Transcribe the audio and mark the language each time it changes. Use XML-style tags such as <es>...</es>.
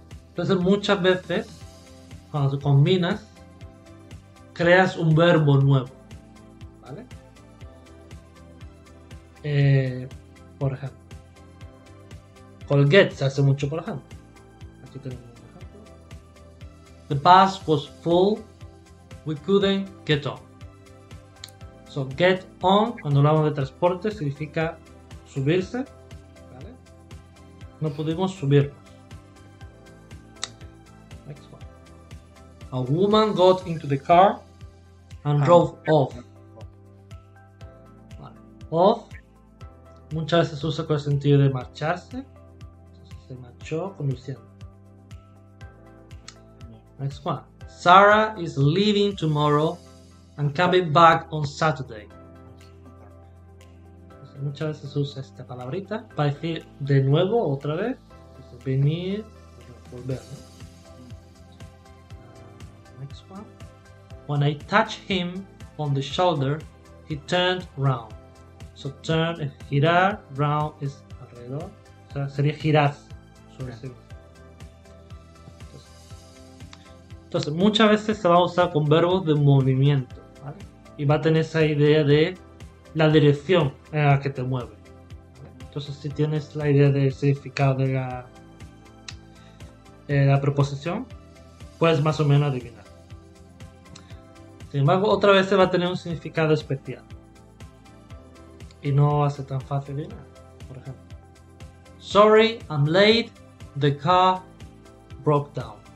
<es>Entonces, muchas veces, cuando tú combinas, creas un verbo nuevo, ¿vale? Por ejemplo, con get se hace mucho, por ejemplo. Aquí tenemos un ejemplo.</es> <en>The bus was full, we couldn't get on.</en> <es>So, get on, cuando hablamos de transporte, significa subirse. No pudimos subirnos.</es> <en>Next one. A woman got into the car and drove off.</en> <es>Vale. Off. Muchas veces se usa con el sentido de marcharse. Entonces se marchó conduciendo.</es> <en>Next one. Sarah is leaving tomorrow and coming back on Saturday.</en> <es>Muchas veces usa esta palabrita para decir de nuevo, otra vez, venir, volver, ¿no?</es> <en>Next one. When I touched him on the shoulder, he turned round.</en> <es>So turn es girar, round es alrededor. O sea, sería girar sobre sí. Entonces, muchas veces se va a usar con verbos de movimiento, ¿vale? Y va a tener esa idea de la dirección en la que te mueve. Entonces, si tienes la idea del significado de la proposición, puedes más o menos adivinar. Sin embargo, otra vez se va a tener un significado especial. Y no va a ser tan fácil adivinar. Por ejemplo,</es> <en>sorry, I'm late, the car broke down.</en>